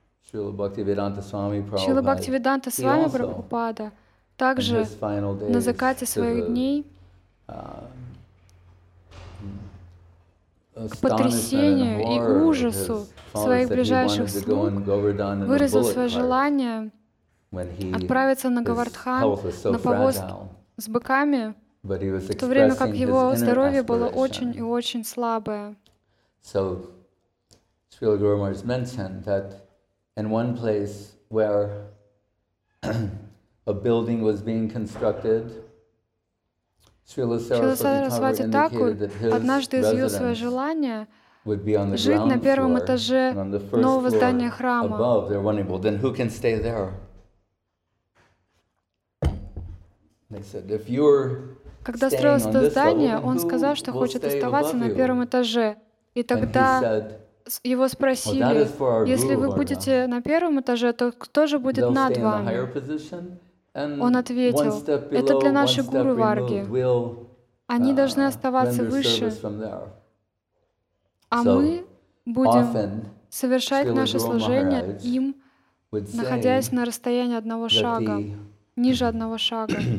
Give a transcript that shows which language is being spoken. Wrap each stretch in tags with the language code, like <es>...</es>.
<ru>Шрила Бхактивиданта Свами Прабхупада также на закате своих дней к потрясению и ужасу своих ближайших слуг выразил свое желание отправиться на Говардхан на повозке с быками, в то время как его здоровье было очень и очень слабое.</ru> <en>So, Srila Guru Maharaj mentioned that in one place where a building was being constructed, Srila Saraswati</en> <ru>Thakur однажды изъявил свое желание жить на первом этаже нового здания храма.</ru> <en>Above, they're wondering, well, then who can stay there? They said, if you're</en> <ru>когда строилось это здание, он сказал, что хочет оставаться на первом этаже. И тогда его спросили, если вы будете на первом этаже, то кто же будет над вами? Он ответил, это для нашей Гуру Варги. Они должны оставаться выше, а мы будем совершать наше служение им, находясь на расстоянии одного шага, ниже одного шага.</ru>